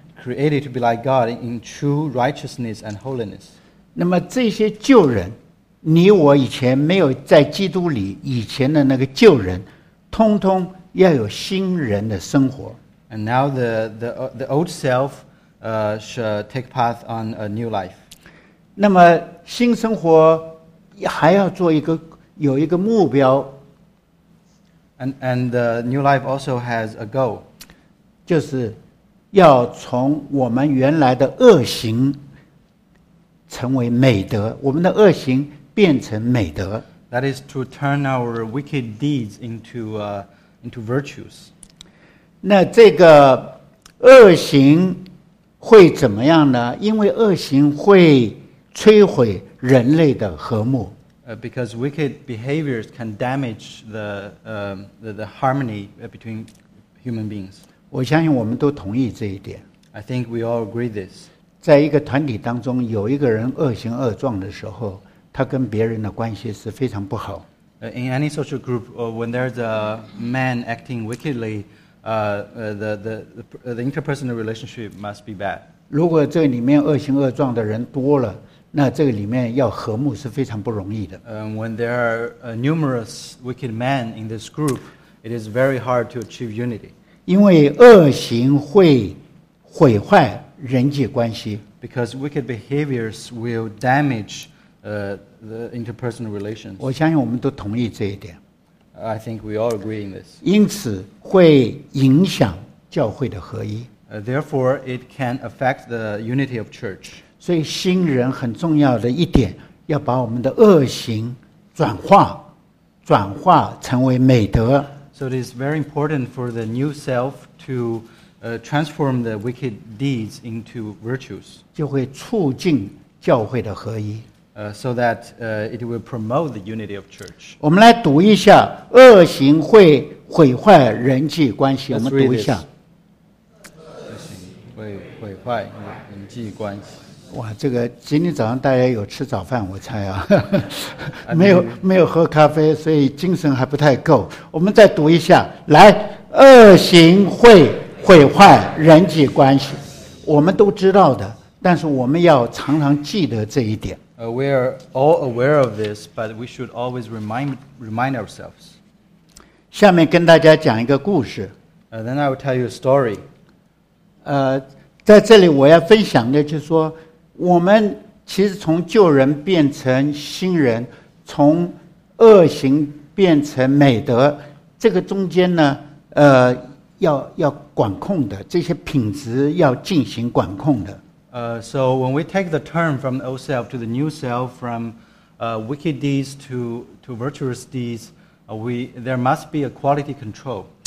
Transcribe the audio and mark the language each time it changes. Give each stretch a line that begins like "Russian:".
English: Created to be like God in true righteousness and holiness.
Chinese: 那么这些旧人，你我以前没有在基督里以前的那个旧人，通通要有新人的生活。
English: And now the old self, shall take path on a new life.
Chinese: 那么新生活还要做一个有一个目标。
English: And the new life also has a goal.
Chinese: 就是。要从我们原来的恶行成为美德，我们的恶行变成美德。
English: That is to turn our wicked deeds into virtues.
Chinese: 那这个恶行会怎么样呢？因为恶行会摧毁人类的和睦。
English: Because wicked behaviors can damage the harmony between human beings.
Chinese: 我相信我们都同意这一点。
English: I think we all agree this.
Chinese: 在一个团体当中，有一个人恶行恶状的时候，他跟别人的关系是非常不好。
English: In any social group, when there's a man acting wickedly, the interpersonal relationship must be bad.
Chinese: 如果这里面恶行恶状的人多了，那这个里面要和睦是非常不容易的。
English: When there are numerous wicked men in this group, it is very hard to achieve unity.
Chinese: 因为恶行会毁坏人际关系。
English: Because wicked behaviors will damage the interpersonal relations.
Chinese: 我相信我们都同意这一点。
English: I think we all agree in this.
Chinese: 因此会影响教会的合一。
English: Therefore, it can affect the unity of church.
Chinese: 所以新人很重要的一点，要把我们的恶行转化，转化成为美德。
English: So it is very important for the new self to transform the wicked deeds into virtues.
Chinese: 就会促进教会的合一。
English: So that it will promote the unity of church.
Chinese: 我们来读一下，恶行会毁坏人际关系。我们读一下。恶行会毁坏人际关系。哇，这个今天早上大家有吃早饭，我猜啊，没有喝咖啡，所以精神还不太够。我们再读一下，来，恶行会毁坏人际关系，我们都知道的，但是我们要常常记得这一点。
English: We are all aware of this, but we should always remind ourselves.
Chinese: 下面跟大家讲一个故事。
English: Then I will tell you a story.
Chinese: 在这里我要分享的就是说。我们其实从旧人变成新人，从恶行变成美德，这个中间呢，要管控的，这些品质要进行管控的。
English: So when we take the turn from the old self to the new self, from wicked deeds to virtuous deeds, there must be a quality control.